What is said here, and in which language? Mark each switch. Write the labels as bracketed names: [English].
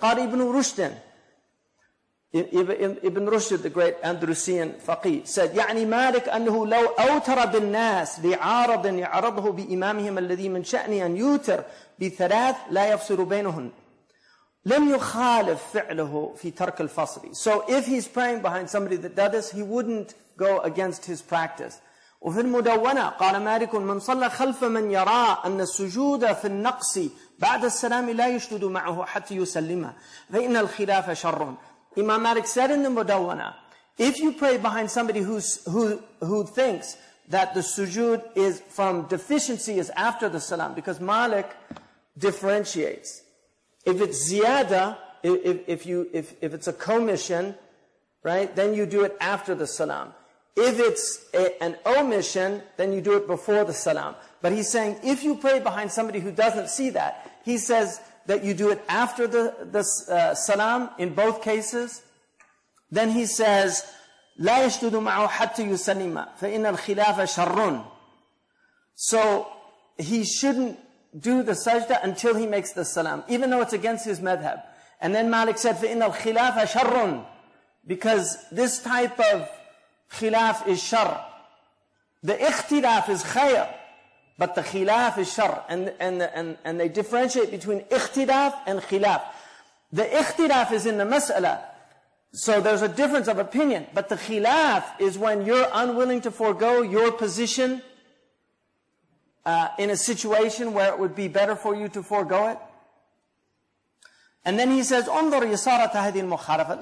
[English] Qari ibn Rushdin, Ibn Rushd, the great Andalusian faqih, said, [Arabic] يعني مالك أنه لو أوتر بالناس لعارض يعرضه بإمامهم الذي من شأنه أن يوتر بثلاث لا يفصل بينهن لم يخالف فعله في ترك الفصل. [English] So if he's praying behind somebody that does this, he wouldn't go against his practice. [Arabic] وفي المدونة قال مالك من صلى خلف من يرى أن السجود في النقص بعد السلام لا يشدد معه حتى يسلم فإن الخلاف شر. [English] Imam Malik said in the Mudawwana, if you pray behind somebody who thinks that the sujood is from deficiency is after the salam, because Malik differentiates. If it's ziyada, if it's a commission, right, then you do it after the salam. If it's an omission, then you do it before the salam. But he's saying, if you pray behind somebody who doesn't see that, he says that you do it after the salam in both cases. Then he says, [Arabic] لا يشدد معه حتى يسلم فإن الخلاف شر. [English] So he shouldn't do the sajda until he makes the salam, even though it's against his madhab. And then Malik said, [Arabic] فإن الخلاف شر, [English] because this type of khilaf is shar. The ikhtilaf is khayr, but the khilaf is shar. And they differentiate between ikhtilaf and khilaf. The ikhtilaf is in the mas'ala, so there's a difference of opinion. But the khilaf is when you're unwilling to forego your position in a situation where it would be better for you to forego it. And then he says, [Arabic] انظر يسارة هذه المخالفة.